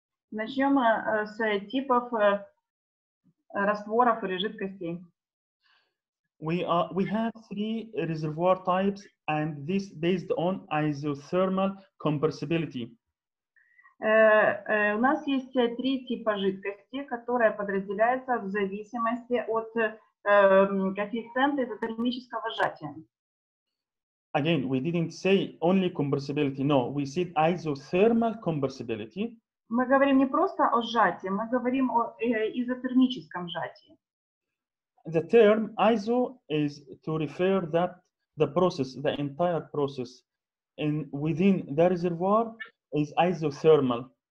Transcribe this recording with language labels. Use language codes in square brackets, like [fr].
[ru] Начнем с типов растворов или жидкостей. [en] We have three reservoir types, and this based on isothermal compressibility. [ru] У нас есть три типа жидкости, которые подразделяются в зависимости от коэффициента изотермического сжатия. [en] Again, we didn't say only compressibility, no, we said isothermal compressibility. [ru] Мы говорим не просто о сжатии, мы говорим о изотермическом сжатии. [en] The term iso is to refer that the process, the entire process in within the reservoir is isothermal.